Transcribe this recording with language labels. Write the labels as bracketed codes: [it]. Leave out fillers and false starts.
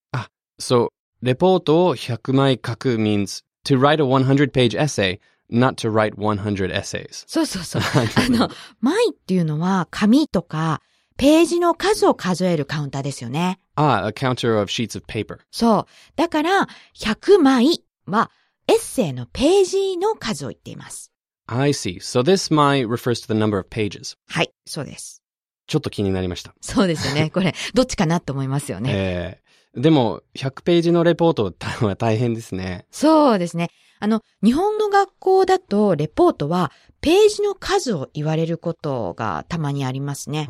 [ja] あ、そう。レポートを100枚書く [en] means to write a 100 page essay, not to write 100 essays. [ja] そうそうそう。枚っていうのは紙とかページの数を数えるカウンターですよね。 [en] あ、a counter of sheets of paper. [ja] そう。だから、100枚はエッセイのページの数を言っています。 [en] I see. So this my refers to the number of pages. [ja] はい、そうです。ちょっと気になりました。そうですね。これ、どっちかなと思いますよね。でも、100ページのレポートは大変ですね。そうですね。日本の学校だと、レポートはページの数を言われることがたまにありますね。